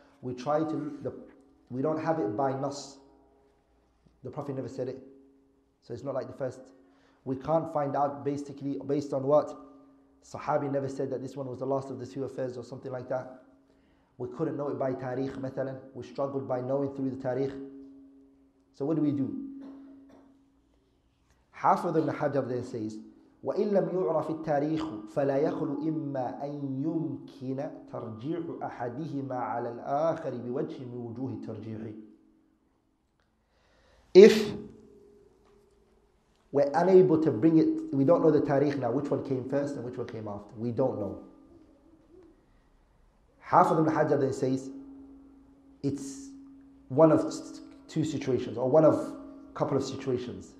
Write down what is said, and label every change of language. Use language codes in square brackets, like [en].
[en] We don't have it by nas. The Prophet never said it. So it's not like the first. We can't find out basically based on what? Sahabi never said that this one was the last of the two affairs or something like that. We couldn't know it by tariq, مثلاً. We struggled by knowing through the tariq. So what do? Half of the Ibn Hajar then says, [ar] وَإِنْ لَمْ يُعْرَفِ التَّارِيخُ فَلَا يَخْلُ إِمَّا أَنْ يُمْكِنَ تَرْجِيعُ أَحَدِهِمَا عَلَى الْآخَرِ بِوَجْهِ مِنْ وُجُوهِ التَّرْجِيعِ. [en] If we're unable to bring it, we don't know the tariq now, which one came first and which one came after. We don't know. Half of the Ibn Hajar then says, it's one of two situations, or one of a couple of situations.